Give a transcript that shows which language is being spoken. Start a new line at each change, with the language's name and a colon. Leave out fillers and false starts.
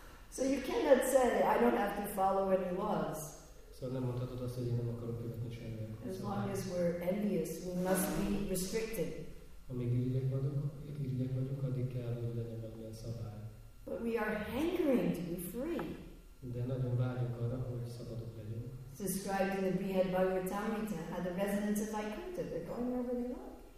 English: So you cannot say, I don't have to follow any laws.
Hungarian: So nem mondhatod azt, hogy én nem akarok követni semmi.
English: As long as we're envious, we must be restricted.
Hungarian: Amíg irigyek vagyunk, addig kell, hogy legyen valamilyen szabály.
English: But we are hankering to be free.
Hungarian: De nagyon vágyunk arra, hogy szabadok legyünk.
English: It's described in the Brihad Bhagavatamrita, how the residents of Vaikuntha, they're going wherever they want.